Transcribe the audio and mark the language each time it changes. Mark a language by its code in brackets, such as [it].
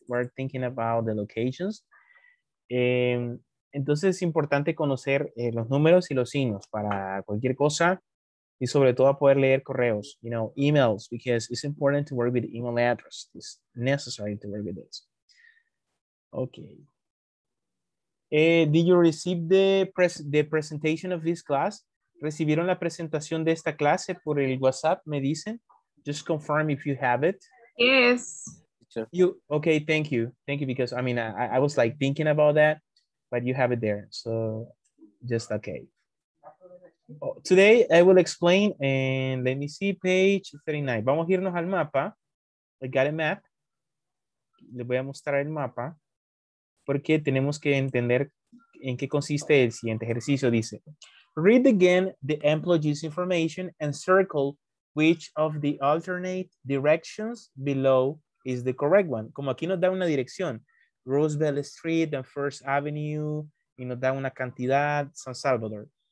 [en] We're thinking about the locations. [es] Entonces es importante conocer los números y los signos para cualquier cosa y sobre todo poder leer correos, [en] you know, emails, because it's important to work with email address. It's necessary to work with this. Okay. Did you receive the presentation of this class? [es] ¿Recibieron la presentación de esta clase por el WhatsApp, me dicen? [en] Just confirm if you have it. Yes. You, okay, thank you. Thank you, because I mean, I was like thinking about that, but you have it there. So just okay. Oh, today I will explain, and let me see page 39. [es] Vamos a irnos al mapa. [en] I got a map. [es] Le voy a mostrar el mapa porque tenemos que entender en qué consiste el siguiente ejercicio, dice. [en] Read again the employee's information and circle which of the alternate directions below is the correct one. [es] Como aquí nos da una dirección, Roosevelt Street and First Avenue, y nos da una cantidad, San Salvador.